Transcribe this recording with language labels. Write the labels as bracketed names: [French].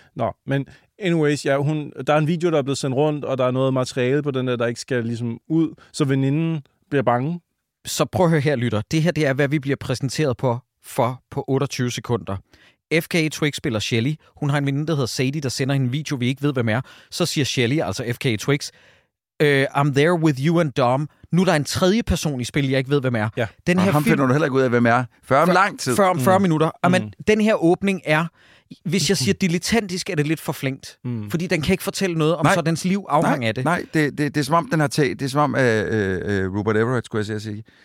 [Danish] Nå, men anyways, der er en video, der er blevet sendt rundt, og der er noget materiale på den der ikke skal ligesom ud. Så veninden bliver bange. Så prøv at høre her, lytter. Det her, det er, hvad vi bliver præsenteret på 28 sekunder. FKA Twix spiller Shelly. Hun har en veninde, der hedder Sadie, der sender en video, vi ikke ved, hvem er. Så siger Shelly, altså FKA Twix, [English] I'm there with you and Dom. [Danish] Nu er der en tredje person i spil, jeg ikke ved, hvem er. Ja. Den her finder du heller ikke ud af, hvem er. Før om lang tid. Før om 40 minutter. Jamen, den her åbning er, hvis jeg siger dilettantisk, er det lidt for flinkt. Fordi den kan ikke fortælle noget om, så dens liv afhænger af det. Nej, det er som om, den har taget. Det er som om Rupert Everett, skulle jeg sige.